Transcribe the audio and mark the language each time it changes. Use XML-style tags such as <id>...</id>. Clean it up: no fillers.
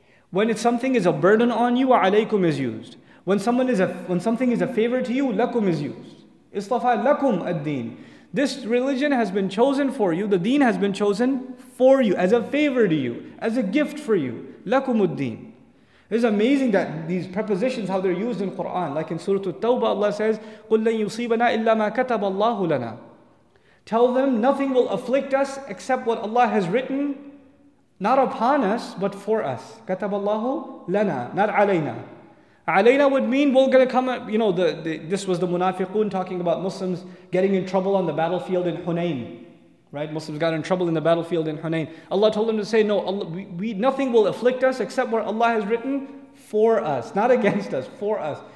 <en>When it's something is a burden on you, alaykum is used. When something is a favor to you, lakum is used.</en> <ar>Istafa lakum ad-deen.</ar> <en>This religion has been chosen for you, the deen has been chosen for you, as a favor to you, as a gift for you.</en> <ar>Lakumud deen.</ar> <en>It's amazing that these prepositions, how they're used in Quran. Like in Surah At-Tawbah, Allah says,</en> <ar>قُلْ لَنْ يُصِيبَنَا إِلَّا مَا كَتَبَ اللَّهُ لَنَا.</ar> <en>Tell them, nothing will afflict us except what Allah has written, not upon us, but for us.</en> <ar>كَتَبَ اللَّهُ لَنَا,</ar> <en>not</en> <ar>عَلَيْنَا.</ar> <en>عَلَيْنَا would mean we're going to come, you know, this was the Munafiqun talking about Muslims getting in trouble on the battlefield in Hunayn. Right? Muslims got in trouble in the battlefield in Hunayn. Allah told them to say, no, Allah, nothing will afflict us except what Allah has written for us, not against us, for us.</en>